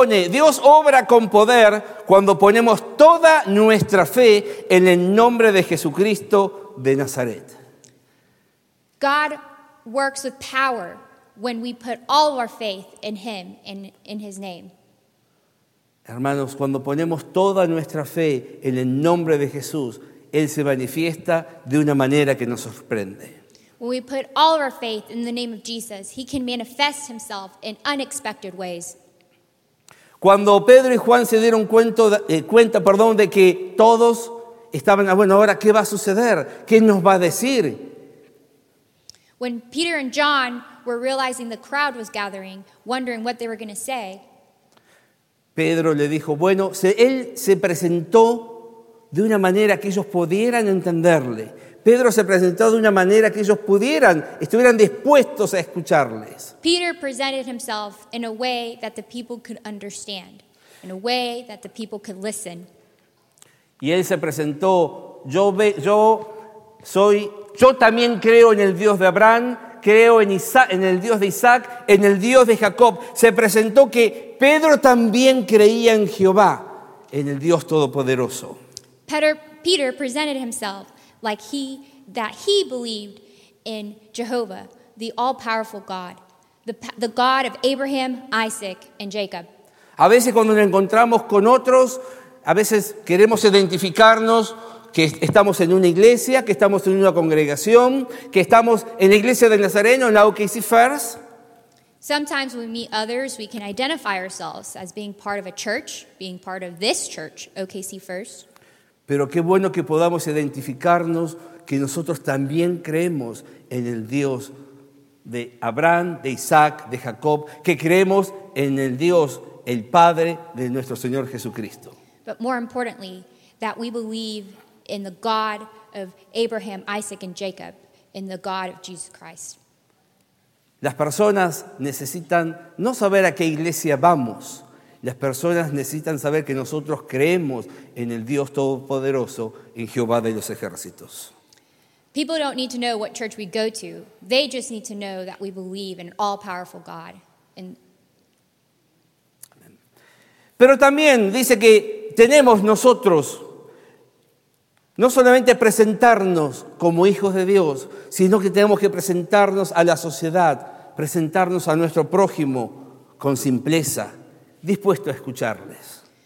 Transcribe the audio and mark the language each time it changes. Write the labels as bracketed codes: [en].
[es] Dios obra con poder cuando ponemos toda nuestra fe en el nombre de Jesucristo de Nazaret. [en] God works with power when we put all of our faith in Him and in His name. [es] Hermanos, cuando ponemos toda nuestra fe en el nombre de Jesús, Él se manifiesta de una manera que nos sorprende. [en] When we put all of our faith in the name of Jesus, He can manifest Himself in unexpected ways. [es] Cuando Pedro y Juan se dieron cuenta de que todos estaban, bueno, ahora, ¿qué va a suceder? ¿Qué nos va a decir? [en] When Peter and John were realizing the crowd was gathering, wondering what they were going to say, [es] Pedro le dijo, bueno, él se presentó de una manera que ellos pudieran entenderle. Pedro se presentó de una manera que ellos estuvieran dispuestos a escucharles. [en] Peter presented himself in a way that the people could understand, in a way that the people could listen. [es] Y él se presentó, yo también creo en el Dios de Abraham, creo en Isaac, en el Dios de Isaac, en el Dios de Jacob. Se presentó que Pedro también creía en Jehová, en el Dios Todopoderoso. [en] Peter presented himself like he believed in Jehovah, the all-powerful God, the God of Abraham, Isaac, and Jacob. [es] A veces cuando nos encontramos con otros, a veces queremos identificarnos que estamos en una iglesia, que estamos en una congregación, que estamos en la iglesia del Nazareno, en la OKC First. [en] Sometimes when we meet others, we can identify ourselves as being part of a church, being part of this church, OKC First. [es] Pero qué bueno que podamos identificarnos que nosotros también creemos en el Dios de Abraham, de Isaac, de Jacob, que creemos en el Dios, el Padre de nuestro Señor Jesucristo. [en] But more importantly, that we believe in the God of Abraham, Isaac, and Jacob, in the God of Jesus Christ. [es] Las personas necesitan no saber a qué iglesia vamos. Las personas necesitan saber que nosotros creemos en el Dios Todopoderoso, en Jehová de los ejércitos. [en] People don't need to know what church we go to. They just need to know that we believe in an all-powerful God. [es] Pero también dice que tenemos nosotros no solamente presentarnos como hijos de Dios, sino que tenemos que presentarnos a la sociedad, presentarnos a nuestro prójimo con simpleza, dispuesto a escucharles.